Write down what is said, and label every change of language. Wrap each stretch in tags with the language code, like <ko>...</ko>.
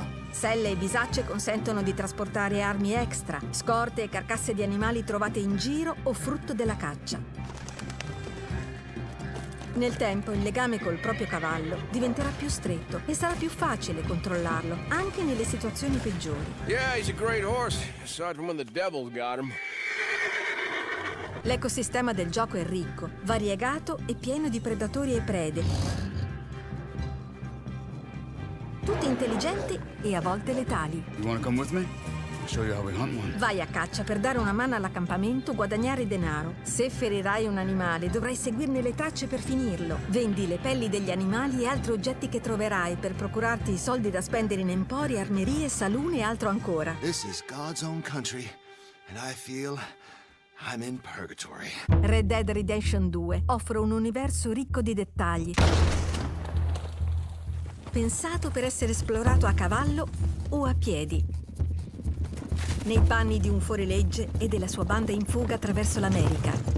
<it>Selle e bisacce consentono di trasportare armi extra, scorte e carcasse di animali trovate in giro o frutto della caccia. Nel tempo, il legame col proprio cavallo diventerà più stretto e sarà più facile controllarlo, anche nelle situazioni peggiori.</it> <en>Yeah, he's a great horse, aside from when the devil got him.</en> <it>L'ecosistema del gioco è ricco, variegato e pieno di predatori e prede. Tutti intelligenti e a volte letali.</it> <en>You wanna come with me? Show you how we hunt one.</en> <it>Vai a caccia per dare una mano all'accampamento, guadagnare denaro. Se ferirai un animale, dovrai seguirne le tracce per finirlo. Vendi le pelli degli animali e altri oggetti che troverai per procurarti i soldi da spendere in empori, armerie, saloon e altro ancora.</it> <en>This is God's own country and I feel I'm in purgatory.</en> <it>Red Dead Redemption 2 offre un universo ricco di dettagli, pensato per essere esplorato a cavallo o a piedi, nei panni di un fuorilegge e della sua banda in fuga attraverso l'America.</it>